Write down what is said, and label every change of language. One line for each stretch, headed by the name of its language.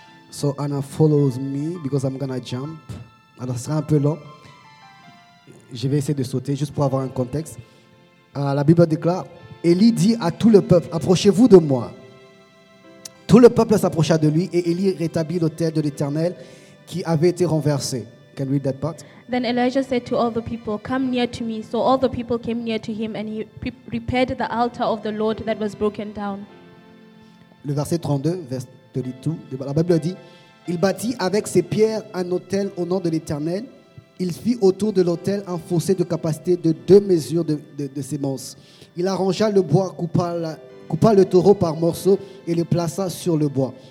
English: So Anna follows me because I'm gonna jump.
French: Alors ce sera un peu long. Je vais essayer de sauter juste pour avoir un contexte. La Bible déclare, Élie dit à tout le peuple, approchez-vous de moi. Tout le peuple s'approcha de lui et Élie rétablit l'autel de l'Éternel qui avait été renversé.
English: Can we read that part? Then Elijah said to all the people, come near to me. So all the people came near to him and he repaired the altar of the Lord that was broken down.
French: Le verset 32, verset 32, la Bible dit, il bâtit avec ses pierres un autel au nom de l'Éternel. Il fit autour de l'autel un fossé de capacité de 2 mesures de semences. Il arrangea le bois, coupa le taureau par morceaux et le plaça sur le bois.